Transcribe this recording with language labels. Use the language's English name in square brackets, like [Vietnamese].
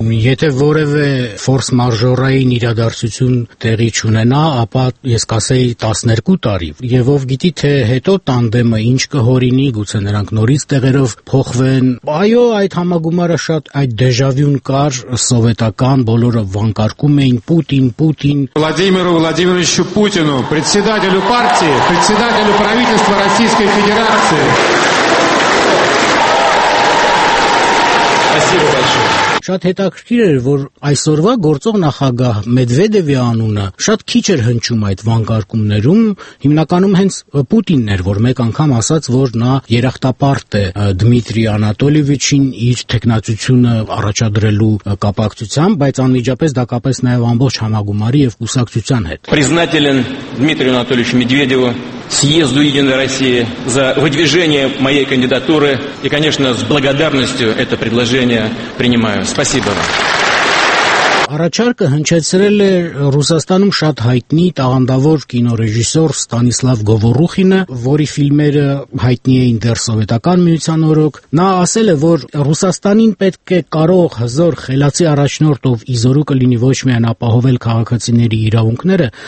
[Armenian] Եթե որևէ ֆորս մաժորային իրադարձություն տեղի չունենա, ապա ես կասեի 12 տարի, և ով գիտի, թե հետո տանդեմը ինչ կհորինի, գուցե նրանք նորից տեղերով փոխվեն։ Այո, այդ համագումարը շատ այդ դեժավյուն կար, սովետական, բոլորը վանկարկում էին Պուտին։ [Russian] Վլադիմիրու Վլադիմիրովիչու Պուտինու, председателю партии, председателю правительства Российской Федерации. [Armenian] Շատ հետաքրքիր էր, որ այսօրվա գործող նախագահ Մեդվեդևի անունը շատ քիչ էր հնչում այդ վանկարկումներում, հիմնականում հենց Պուտինն էր, որ մեկ անգամ ասաց, որ նա երախտապարտ է Դմիտրի Անատոլիևիչին իր թեկնածությունը առաջադրելու կապակցությամբ, բայց անմիջապես դա կապեց նաև ամբողջ համագումարի և կուսակցության հետ։ [Russian] Признателен Дмитрию Анатольевичу Медведеву, съезду Единой России за выдвижение моей кандидатуры и, конечно, с благодарностью это предложение принимаю. Спасибо вам. [Armenian] Առաջարկը հնչեցրել է Ռուսաստանում շատ հայտնի տաղանդավոր կինոռեժիսոր Ստանիսլավ Գովորուխինը, որի ֆիլմերը հայտնի էին դեռ Սովետական Միության օրոք։ Նա ասել է, որ Ռուսաստանին պետք է կարող հզոր խելացի առաջնորդով իզորու կլինի ոչ միայն ապահովել քաղաքացիների իրավունքները,